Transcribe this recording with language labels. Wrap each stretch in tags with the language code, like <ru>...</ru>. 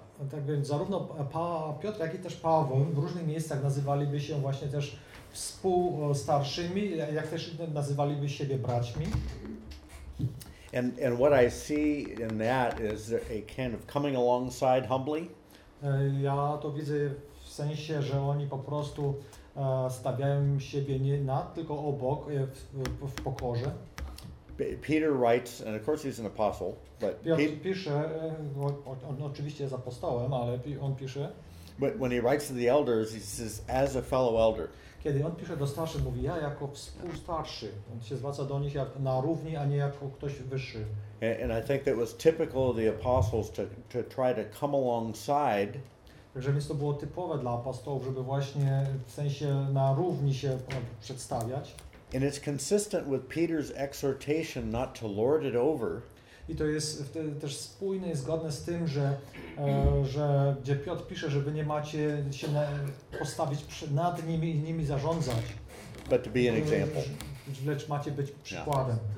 <pl>Tak więc zarówno Piotr, jak i też Paweł w różnych miejscach nazywaliby się właśnie też współstarszymi, jak też nazywaliby siebie braćmi.</pl> <en>And what I see in that is a kind of coming alongside humbly.</en> <pl>Ja to widzę w sensie, że oni po prostu stawiają siebie nie nad, tylko obok, w pokorze.</pl> <en>Peter writes, and of course he's an apostle, but</en> <pl>pisze, on oczywiście jest apostołem, ale on pisze.</pl> <en>But when he writes to the elders, he says, as a fellow elder.</en> <pl>Kiedy on pisze do starszych, mówi ja jako współstarszy. On się zwraca do nich jak na równi, a nie jako ktoś wyższy.</pl> <en>And I think that was typical of the apostles to try to come alongside.</en> <pl>Także więc to było typowe dla apostołów, żeby właśnie w sensie na równi się przedstawiać.</pl> <en>And it's consistent with Peter's exhortation not to lord it over.</en> <pl>I to jest też spójne i zgodne z tym, że gdzie Piotr pisze, żeby nie macie się postawić nad nimi i nimi zarządzać.</pl> <en>But to be an example.</en> <pl>Lecz macie być przykładem.</pl>